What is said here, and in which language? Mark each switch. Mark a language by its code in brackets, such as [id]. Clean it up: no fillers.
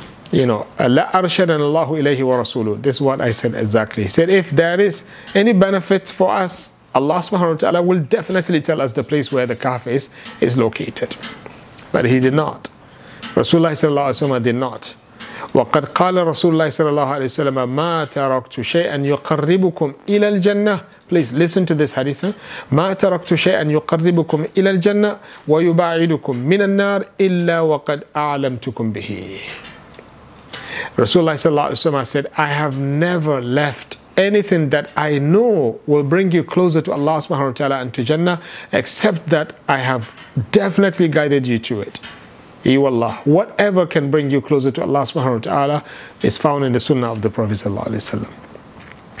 [en] You know, [ar] لا أرشدنا الله إليه ورسوله. [en] This is what I said exactly. He said, if there is any benefit for us, Allah subhanahu wa ta'ala will definitely tell us the place where the Kaaba is located. But he did not. Rasulullah sallallahu alayhi wa sallam did not. [ar] وقد قال رسول الله صلى الله عليه وسلم ما تركت شيئا يقربكم إلى الجنة. [en] Please listen to this hadith. [ar] ما تركت شيئا يقربكم إلى الجنة ويبعدكم من النار إلا وقد أعلمتكم به. [en] Rasulullah sallallahu alaihi wasallam said, I have never left anything that I know will bring you closer to Allah subhanahu wa ta'ala and to Jannah, except that I have definitely guided you to it. Allah, whatever can bring you closer to Allah subhanahu wa ta'ala is found in the sunnah of the Prophet sallallahu alaihi wasallam.